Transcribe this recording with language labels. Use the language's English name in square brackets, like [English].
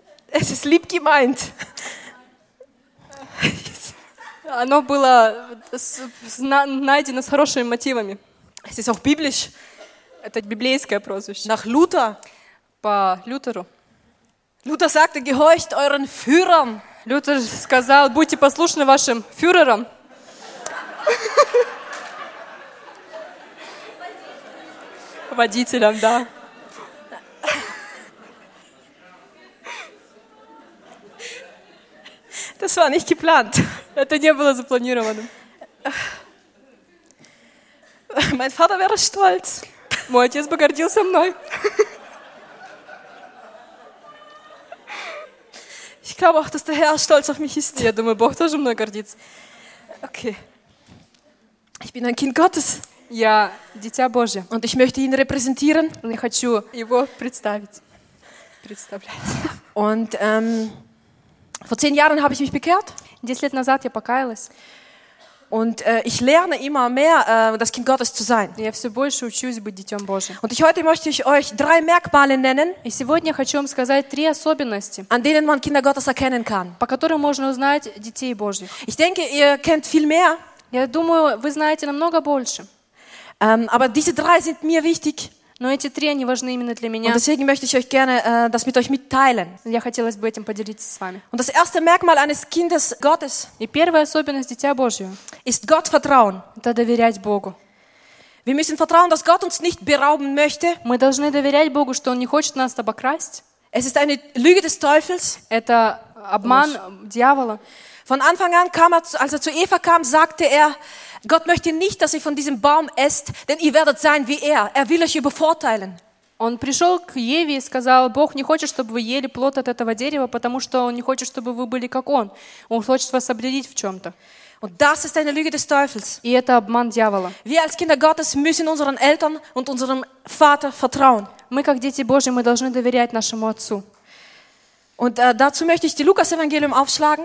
[German] Es ist lieb gemeint. [Russian] Оно было найдено с хорошими мотивами. [German] Es ist auch biblisch. [Russian] Это библейское прозвище. [German] Nach Luther. [Russian] По Лютеру. [German] Luther sagte, gehorcht euren Führern. [Russian] Лютер сказал, будьте послушны вашим фюрерам. Водителям, да. [German] Das war nicht geplant. [Russian] Это не было запланировано. [German] Mein Vater wäre stolz. [Russian] Мой отец бы гордился мной. [German] Ich glaube auch, dass der Herr stolz auf mich ist. [Russian] Я думаю, Бог тоже мной гордится. [German] Okay. Ich bin ein Kind Gottes. [Russian] Я дитя Божье. [German] Und ich möchte ihn repräsentieren. Und [Russian] я хочу его представлять. [German] Und vor 10 Jahren habe ich mich bekehrt. [Russian] 10 лет назад я покаялась. [German] Und ich lerne immer mehr, das Kind Gottes zu sein. [Russian] Я все больше учусь быть дитём Божьим. [German] Und ich heute möchte ich euch drei Merkmale nennen. [Russian] И сегодня хочу вам сказать три особенности, [German] an denen man Kinder Gottes erkennen kann. [Russian] По которым можно узнать детей Божьих. [German] Ich denke, ihr kennt viel mehr. [Russian] Я думаю, вы знаете намного больше. [German] Aber diese drei sind mir wichtig. [Russian] Но эти три, они важны именно для меня. [German] Und deswegen möchte ich euch gerne das mit euch mitteilen. [Russian] Я хотелось бы этим поделиться с вами. [German] Und das erste Merkmal eines Kindes Gottes. [Russian] И первая особенность дитя Божьего. [German] Ist Gott vertrauen. [Russian] Это доверять Богу. [German] Wir müssen vertrauen, dass Gott uns nicht berauben möchte. [Russian] Мы должны доверять Богу, что Он не хочет нас обокрасть. [German] Es ist eine Lüge des Teufels. [Russian] Это обман дьявола. [German] Von Anfang an kam er, als er zu Eva kam, sagte er, Gott möchte nicht, dass ihr von diesem Baum esst, denn ihr werdet sein wie er. Er will euch übervorteilen. [Russian] Он пришел к Еве и сказал, Бог не хочет, чтобы вы ели плод от этого дерева, потому что он не хочет, чтобы вы были как он. Он хочет вас обделить в чем-то. [German] Und das ist eine Lüge des Teufels. [Russian] И это обман дьявола. [German] Wir als Kinder Gottes müssen unseren Eltern und unserem Vater vertrauen. [Russian] Мы как дети Божьи, мы должны доверять нашему отцу. [German] Und dazu möchte ich die Lukas-Evangelium aufschlagen.